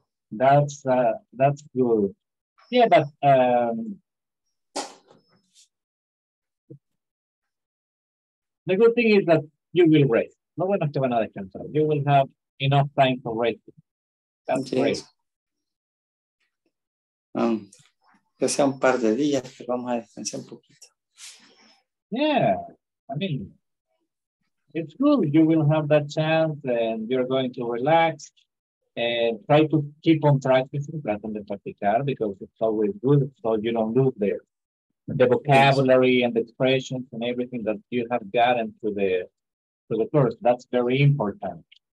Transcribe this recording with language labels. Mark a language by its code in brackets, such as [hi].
[en] That's good. Yeah, but the good thing is that you will rest. [es] No bueno que van a descansar. [en] You will have enough time for rest. That's great. [es] que sea un par de días, pero vamos a descansar un poquito. [en] Yeah, I mean, it's good. You will have that chance and you're going to relax and try to keep on practicing, [es] tratando de practicar, [en] because it's always good so you don't lose there. The vocabulary and the expressions and everything that you have gotten to the course, that's very important.